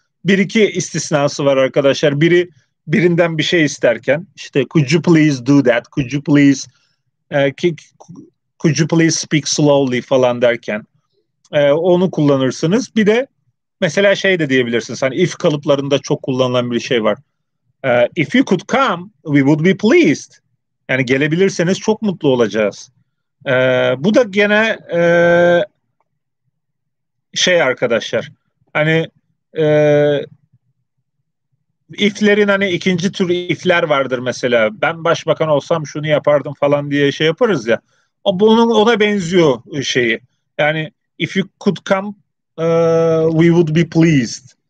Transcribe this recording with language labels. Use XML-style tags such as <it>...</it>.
<tr>Bir iki istisnası var arkadaşlar. Biri birinden bir şey isterken işte</tr> <en>could you please do that? Could you please could you please speak slowly</en> <tr>falan derken onu kullanırsınız. Bir de mesela şey de diyebilirsiniz. Hani if kalıplarında çok kullanılan bir şey var.</tr> <en>If you could come, we would be pleased.</en> <tr>Yani gelebilirseniz çok mutlu olacağız. Bu da gene şey arkadaşlar. Hani if'lerin hani ikinci tür if'ler vardır mesela. Ben başbakan olsam şunu yapardım falan diye şey yaparız ya. O bunun ona benziyor şeyi. Yani</tr> <en>if you could come, we would be pleased.</en>